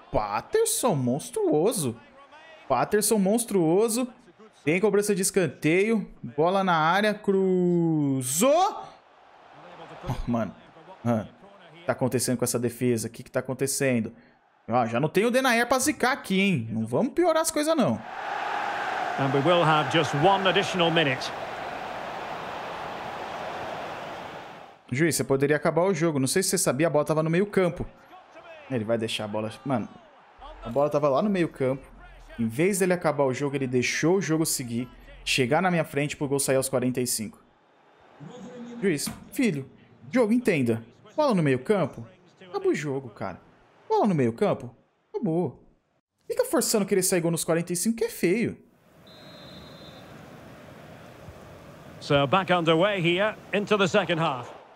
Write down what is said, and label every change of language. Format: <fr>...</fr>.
<pt>Patterson, monstruoso. Patterson, monstruoso. Tem cobrança de escanteio. Bola na área. Cruzou. Oh, mano. O que tá acontecendo com essa defesa? O que, que tá acontecendo? Ah, já não tem o Denayer pra zicar aqui, hein? Não vamos piorar as coisas, não.</pt> <en>And we will have just one additional minute.</en> <pt>Juiz, você poderia acabar o jogo. Não sei se você sabia, a bola tava no meio campo. Ele vai deixar a bola... Mano, a bola tava lá no meio campo. Em vez dele acabar o jogo, ele deixou o jogo seguir. Chegar na minha frente pro gol sair aos 45. Juiz, filho, jogo, entenda. Bola no meio campo, acabou o jogo, cara. Bola no meio campo, acabou. Fica forçando querer sair gol nos 45, que é feio.</pt> <en>So, back underway here, into the second half.</en>